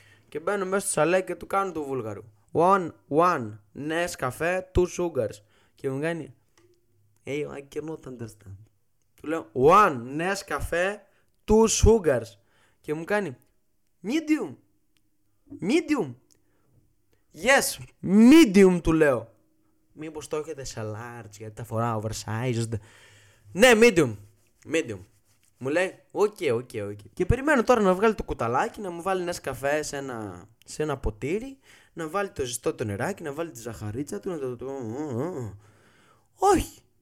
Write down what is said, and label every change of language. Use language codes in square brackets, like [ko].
[el] Και μπαίνω μέσα στο σαλέ και του κάνω του Βούλγαρου. [en] One, Nescafé, two sugars. [el] Και μου κάνει, [en] hey, I cannot understand. [el] Του λέω, [en] one, Nescafé, two sugars. [el] Και μου κάνει, [en] medium. Yes, medium [el] του λέω. Μήπως το έχετε σε large, γιατί τα φοράω oversized. Ναι, medium. Μου λέει, οκ. Και περιμένω τώρα να βγάλει το κουταλάκι, να μου βάλει ένα καφέ σε ένα ποτήρι, να βάλει το ζεστό το νεράκι, να βάλει τη ζαχαρίτσα του, να το... Όχι.